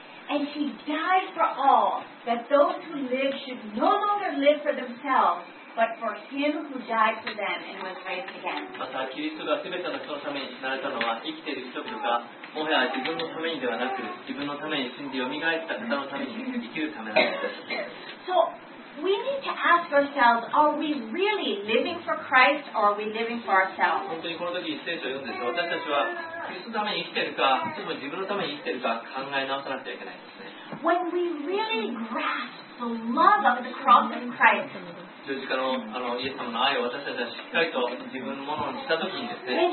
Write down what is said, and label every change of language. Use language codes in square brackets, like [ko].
[en] And he died for all, that those who live should no longer live for themselves, but for him who died for them and was raised again. [ja] またキリストがすべての人のために死なれたのは生きている人々がもはや自分のためにではなく自分のために死んでよみがえった方のために生きるためなんです。 [en] So we need to ask ourselves, are we really living for Christ or are we living for ourselves? [ja] 本当にこの時聖書を読んでいると私たちはキリストのために生きているかそれも自分のために生きているか考え直さなくてはいけないんですね。 [en] When we really grasp the love of the cross of Christ, [ja] 十字架の、あのイエス様の愛を私たちはしっかりと自分のものにしたときにですね、